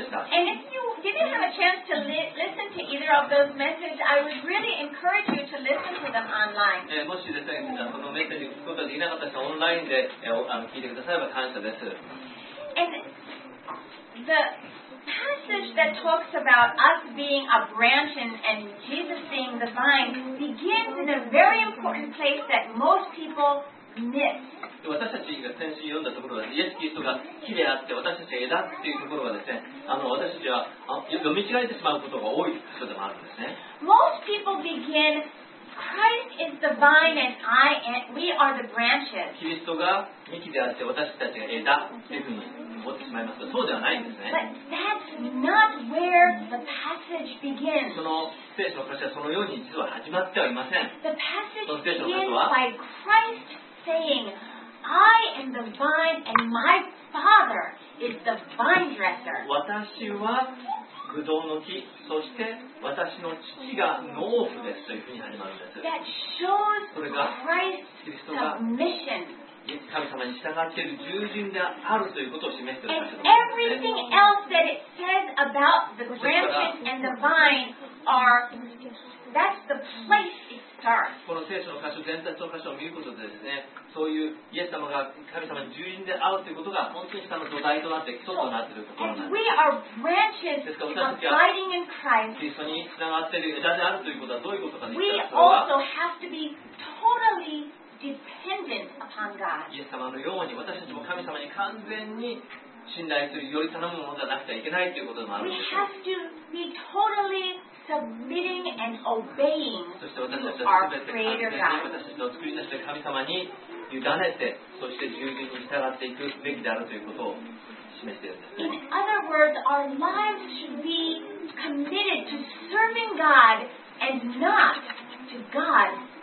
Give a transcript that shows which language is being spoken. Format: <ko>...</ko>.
<en>And if you didn't have a chance to listen to either of those messages, I would really encourage you to listen to them online.</en> <ja>もしですね、そのメッセージを聞くことができなかった人はオンラインで聞いてくだされば感謝です。</ja> <en>And the passage that talks about us being a branch and Jesus being the vine begins in a very important place that most people miss.</en> <ja>私たちが先週読んだところは、イエス・キリストが木であって、私たちは枝っていうところはですね、私たちは読み違えてしまうことが多い箇所でもあるんですね。</ja> <en>Most people begin, Christ is the vine and I am, we are the branches.</en> <ja>キリストが幹であって、私たちが枝っていうふうに。そうではないんですね。</ja> <en>But that's not where the passage begins.</en> <ja>その聖書の箇所はそのように実は始まってはいません。</ja> <en>The passage begins by Christ saying, I am the vine and my Father is the vine dresser.</en> <ja>私はブドウの木、そして私の父が農夫ですというふうに始まるんです。</ja> <en>That shows Christ's submission.</en> <ja>神様に従っている従順であるということを示しております。</ja> <en>And everything else that it says about the branches and the vine are, that's the place it starts.</en> <ja>この聖書の箇所、伝達の箇所を見ることでですね、そういうイエス様が神様に従順であるということが本当にその土台となって基礎となっているところなんです。</ja> <en>We are branches abiding in Christ.</en> <ja>キリストに従っている枝であるということはどういうことかという</ja> <en>と、We also have to be totally. Dependent upon God.</en> <ja>イエス様のように私たちも神様に完全に信頼するより頼むものじゃなくてはいけないということもあるんです。</ja> <en>We have to be totally submitting and obeying to our Creator God.</en> <ja>そして私たちは全て神様に委ねて、そして従順に従っていくべきであるということを示しているんです。</ja> <en>In other words, our lives should be committed to serving God and not to God.</en>